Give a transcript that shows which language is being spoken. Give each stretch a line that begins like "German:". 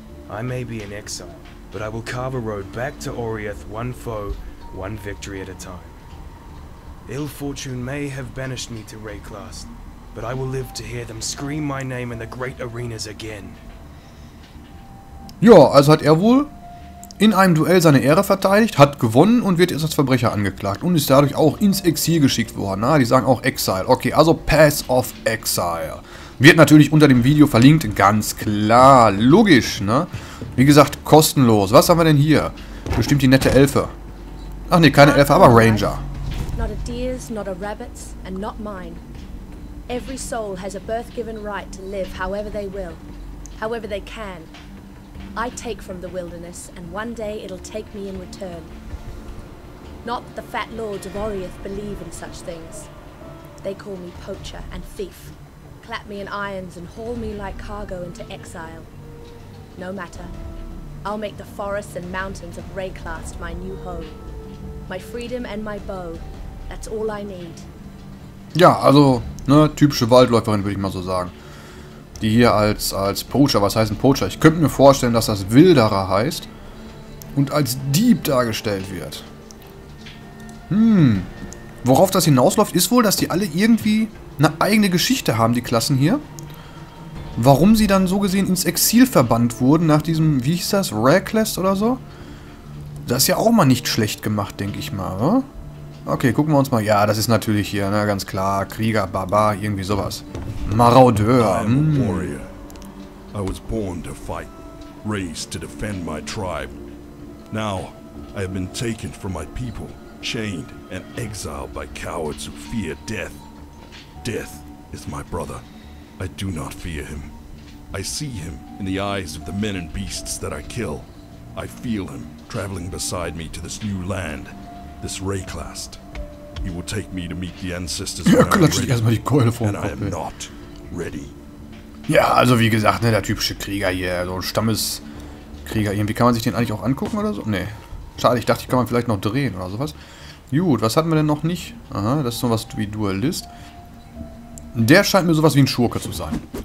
English: I may be in exile, but I will carve a road back to Orioth, one foe, one victory at a time. Ill fortune may have banished me to Rayclast. But I will live to hear them scream my name in the great arenas again.
German: Ja, also hat er wohl in einem Duell seine Ehre verteidigt, hat gewonnen und wird jetzt als Verbrecher angeklagt und ist dadurch auch ins Exil geschickt worden. Na, die sagen auch Exile. Okay, also Path of Exile. Wird natürlich unter dem Video verlinkt, ganz klar, logisch, ne? Wie gesagt, kostenlos. Was haben wir denn hier? Bestimmt die nette Elfe. Ach nee, keine Elfe, aber Ranger.
English: Not a deer's, not a rabbit's, and not mine. Every soul has a birth-given right to live however they will, however they can. I take from the wilderness, and one day it'll take me in return. Not the fat lords of Orioth believe in such things. They call me poacher and thief, clap me in irons and haul me like cargo into exile. No matter. I'll make the forests and mountains of Rayclast my new home. My freedom and my bow, that's all I need.
German: Ja, also, ne, typische Waldläuferin, würde ich mal so sagen. Die hier als Poacher, was heißt ein Poacher? Ich könnte mir vorstellen, dass das Wilderer heißt und als Dieb dargestellt wird. Worauf das hinausläuft, ist wohl, dass die alle irgendwie eine eigene Geschichte haben, die Klassen hier. Warum sie dann so gesehen ins Exil verbannt wurden nach diesem, wie hieß das, Rayclast oder so? Das ist ja auch mal nicht schlecht gemacht, denke ich mal, oder? Okay, gucken wir uns mal. Ja, das ist natürlich hier, ne, ganz klar. Krieger, Barbar, irgendwie sowas. Marodeur.
English: Warrior. I was born to fight, raised to defend my tribe. Now, I have been taken from my people, chained and exiled by cowards who fear death. Death is my brother. I do not fear him. I see him in the eyes of the men and beasts that I kill. I feel him traveling beside me to this new land, this Rayclast. He will take me to meet the ancestors when I am not ready.
German: Ja, also wie gesagt, ne, der typische Krieger hier, so Stammeskrieger. Irgendwie kann man sich den eigentlich auch angucken oder so? Nee. Schade, ich dachte, ich kann man vielleicht noch drehen oder sowas. Gut, was hatten wir denn noch nicht? Aha, das ist sowas wie Duellist. Der scheint mir sowas wie ein Schurke zu sein.